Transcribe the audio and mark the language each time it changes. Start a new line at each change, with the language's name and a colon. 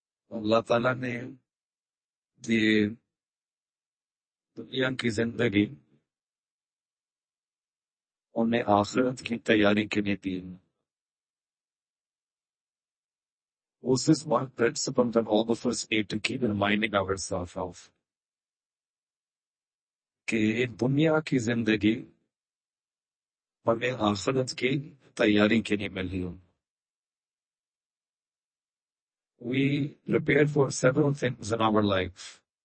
Urdu: اللہ تعالیٰ نے دنیا کی زندگی انہیں آخرت کی تیاری کے لیے دی.
English: This is one principle that all of us need to keep reminding ourselves of.
Urdu: کہ دنیا کی زندگی ہمیں آخرت کی تیاری کے لیے ملی.
English: We prepare for several things in our life.